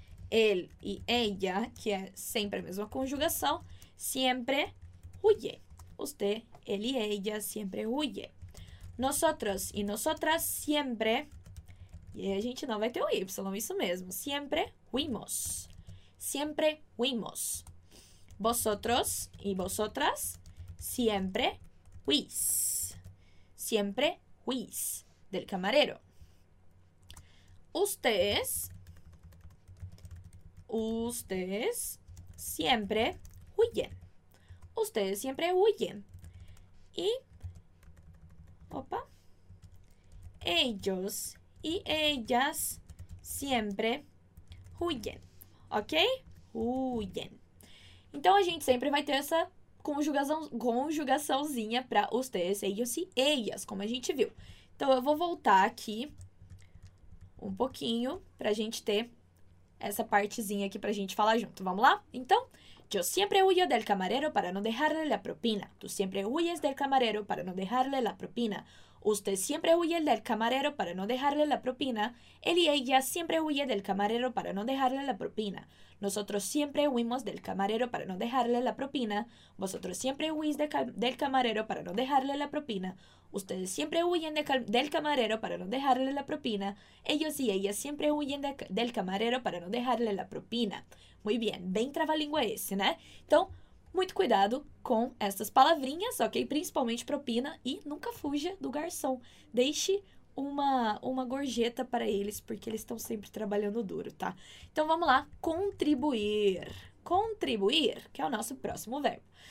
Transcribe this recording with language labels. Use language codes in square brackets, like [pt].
[es] Él y ella, [pt] que é sempre a mesma conjugação, [es] siempre huye. Usted, él y ella, siempre huye. Nosotros y nosotras siempre. [pt] E aí a gente não vai ter o Y, isso mesmo. [es] Siempre huimos. Siempre huimos. Vosotros y vosotras siempre huís. Siempre huís. Del camarero. Ustedes. Ustedes siempre huyen. Ustedes siempre huyen. Y, opa, ellos y ellas siempre huyen. ¿Ok? Huyen. [pt] Então a gente sempre vai ter essa conjugaçãozinha para ustedes, ellos e ellas, como a gente viu. Então eu vou voltar aqui um pouquinho para a gente ter essa partezinha aqui pra gente falar junto. Vamos lá? Então, [es] yo siempre huyo del camarero para no dejarle la propina. Tú siempre huyes del camarero para no dejarle la propina. Usted siempre huye del camarero para no dejarle la propina. Él y ella siempre huye del camarero para no dejarle la propina. Nosotros siempre huimos del camarero para no dejarle la propina. Vosotros siempre huís del camarero para no dejarle la propina. Ustedes siempre huyen del camarero para no dejarle la propina. Ellos y ellas siempre huyen del camarero para no dejarle la propina. Muy bien, [pt] bem trava-língua esse, né? Então, muito cuidado com essas palavrinhas, ok? Principalmente propina e nunca fuja do garçom. Deixe uma gorjeta para eles, porque eles estão sempre trabalhando duro, tá? Então vamos lá, contribuir. Contribuir, que é o nosso próximo verbo.